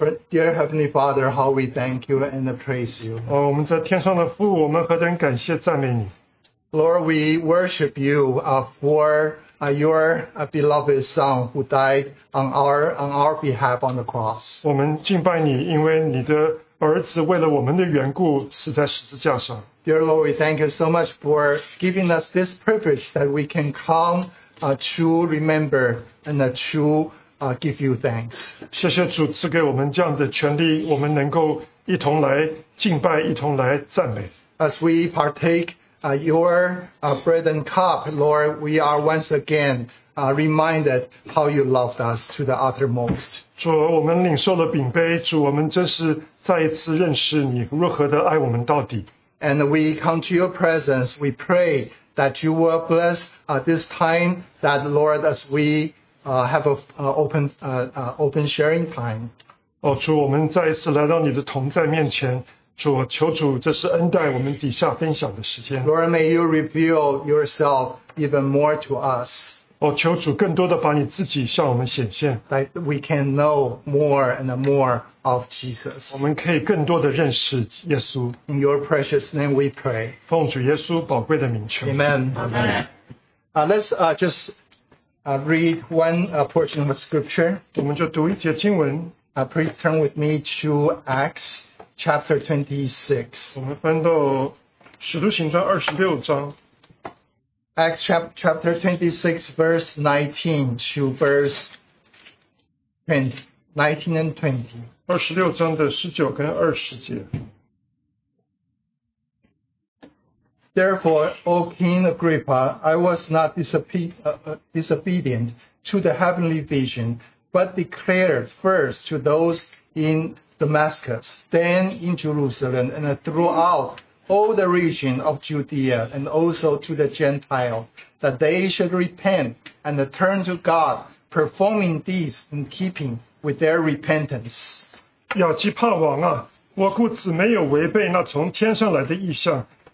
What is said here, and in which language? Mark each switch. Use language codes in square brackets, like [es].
[en] Dear Heavenly Father, how we thank you and praise you. [zh] 我们在天上的父，我们何等感谢赞美你。 [en] Lord, we worship you for your beloved Son who died on our behalf on the cross. [zh] 我们敬拜你，因为你的儿子为了我们的缘故死在十字架上。 [en] Dear Lord, we thank you so much for giving us this privilege that we can come to remember and to give you thanks. [zh] 谢谢主赐给我们这样的权利，我们能够一同来敬拜，一同来赞美。 [en] As we partake your bread and cup, Lord, we are once again reminded how you loved us to the uttermost. [zh] 主，我们领受了饼杯，主，我们真是再一次认识你如何的爱我们到底。 [en] And we come to your presence, we pray that you will bless this time that, Lord, as we have an open sharing time. [zh] 主，我们再一次来到你的同在面前，主，求主，这是恩待我们底下分享的时间。 [en] Lord, may you reveal yourself even more to us. [zh] 求主更多的把你自己向我们显现。 [en] That we can know more and more of Jesus. [zh] 我们可以更多的认识耶稣。 [en] In your precious name we pray. [zh] 奉主耶稣宝贵的名求。 [en] Amen. Amen. Let's just read one portion of scripture. [zh] 我们就读一节经文。 [en] Please turn with me to Acts chapter 26. [zh] 我们翻到使徒行传二十六章。 [en] Acts chapter 26, verse 19 to verse 20, 19 and 20. [zh] 26章的19跟20节。 [en] Therefore, O King Agrippa, I was not disobedient to the heavenly vision, but declared first to those in Damascus, then in Jerusalem, and throughout all the region of Judea, and also to the Gentiles, that they should repent and turn to God, performing these in keeping with their repentance. [zh] 亚基帕王啊，我故此没有违背那从天上来的意象。